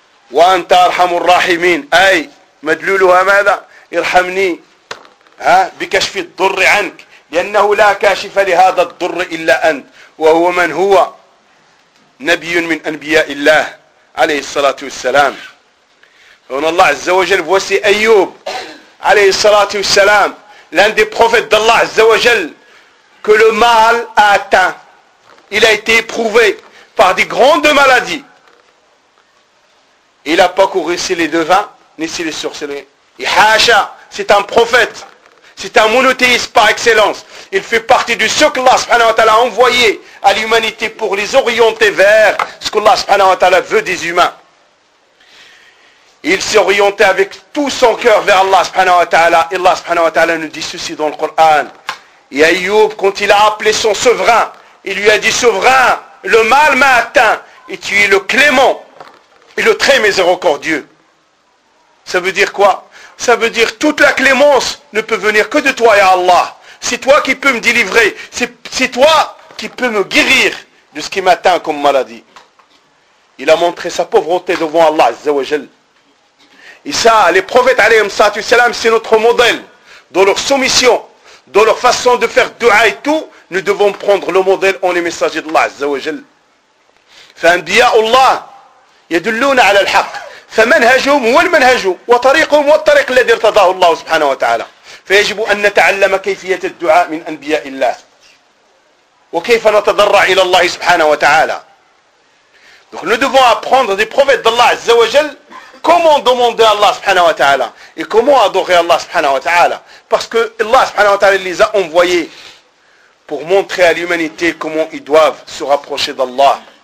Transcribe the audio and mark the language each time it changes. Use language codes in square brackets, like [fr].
[ar] وأنت أرحم الراحمين أي مدلولها ماذا ارحمني بكشف الضر عنك لأنه لا كاشف لهذا الضر إلا أنت وهو من هو نبي من أنبياء الله عليه الصلاة والسلام فهنا الله عز وجل voici أيوب عليه الصلاة والسلام [fr] l'un des prophètes d'Allah عز وجل que le mal a atteint il a été éprouvé par des grandes maladies. Il n'a pas couru sur les devins, ni sur les sorceliers. Et Hacha, c'est un prophète. C'est un monothéiste par excellence. Il fait partie de ce que Allah subhanahu wa ta'ala a envoyé à l'humanité pour les orienter vers ce que Allah subhanahu wa ta'ala veut des humains. Il s'est orienté avec tout son cœur vers Allah subhanahu wa ta'ala. Et Allah subhanahu wa ta'ala nous dit ceci dans le Coran. Et Ayyub, quand il a appelé son souverain, il lui a dit, souverain, le mal m'a atteint et tu es le clément. Et le très miséricordieux. Ça veut dire quoi? Ça veut dire toute la clémence ne peut venir que de toi, ya Allah. C'est toi qui peux me délivrer. C'est toi qui peux me guérir de ce qui m'atteint comme maladie. Il a montré sa pauvreté devant Allah, azza wa jal. Et ça, les prophètes, alayhim salatu salam, c'est notre modèle. Dans leur soumission, dans leur façon de faire dua et tout, nous devons prendre le modèle en les messagers d'Allah, azza wa jal. [ar] Fa'anbiya Allah. يدلون على الحق فمنهجهم هو المنهج وطريقهم هو الطريق الذي ارتضاه الله سبحانه وتعالى [fr] فيجب أن نتعلم كيفية الدعاء من أنبياء الله وكيف نتضرع إلى الله سبحانه وتعالى donc nous devons apprendre des prophètes d'Allah عز وجل comment demander à Allah سبحانه وتعالى et comment adorer Allah سبحانه وتعالى parce que Allah سبحانه وتعالى les a envoyés pour montrer à l'humanité comment ils doivent se rapprocher d'Allah.